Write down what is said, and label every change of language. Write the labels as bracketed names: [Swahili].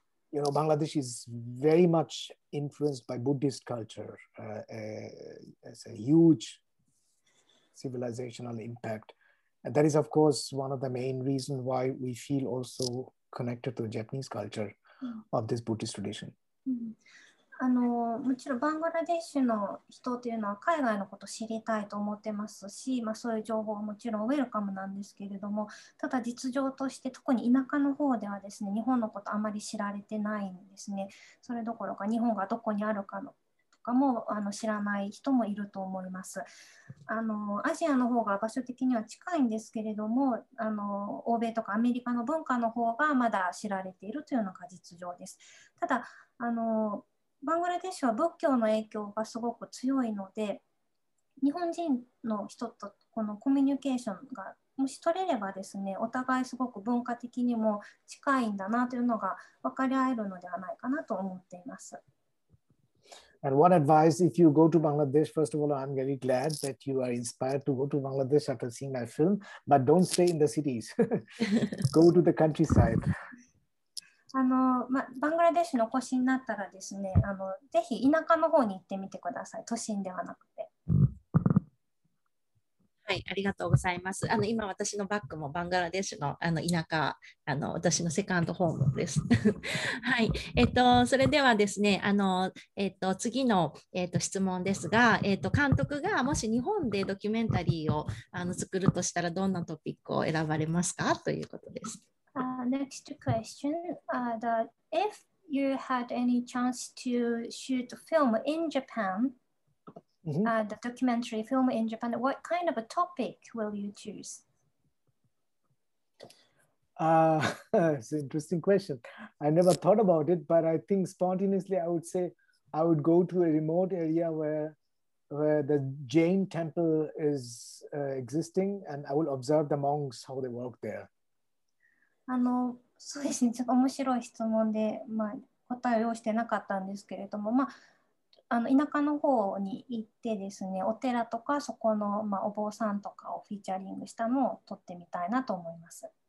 [English] You know, Bangladesh is very much influenced by Buddhist culture. It's a huge civilizational impact. And that is, of course, one of the main reasons why we feel also connected to Japanese culture. Of this Buddhist tradition. [Japanese] もちろんバングラデシュの人というのは海外のことを知りたいと思ってますし、まあ、そういう情報はもちろんウェルカムなんですけれども、ただ実情として特に田舎の方ではですね、日本のことあまり知られてないんですね。それどころか日本がどこにあるかのかも知らない人もいると思います。アジアの方が場所的には近いんですけれども、欧米とかアメリカの文化の方がまだ知られているというのが実情です。ただバングラデシュは仏教の影響がすごく強いので、日本人の人とこのコミュニケーションがもし取れればですね、お互いすごく文化的にも近いんだなというのが分かり合えるのではないかなと思っています。 [English] And what advice if you go to Bangladesh? First of all, I'm very glad that you are inspired to go to Bangladesh after seeing my film, but don't stay in the cities. Go to the countryside. [Japanese] バングラデシュの都心になったらですね、ぜひ田舎の方に行ってみてください。都心ではなくて。はい、ありがとうございます。今私のバッグもバングラデシュの田舎、私のセカンドホームです。はい、それではですね、次の、質問ですが、監督がもし日本でドキュメンタリーを作るとしたらどんなトピックを選ばれますかということです。 [English] Next question. If you had any chance to shoot a film in Japan,the documentary film in Japan, what kind of a topic will you choose? It's an interesting question. I never thought about it, but I think spontaneously I would say I would go to a remote area where the Jain temple is existing, and I will observe the monks, how they work there. [Japanese] そうですね、ちょっと面白い質問で、まあ、答えを用意してなかったんですけれども、まあ田舎の方に行ってですね、お寺とかそこの、まあ、お坊さんとかをフィーチャリングしたのを撮ってみたいなと思います。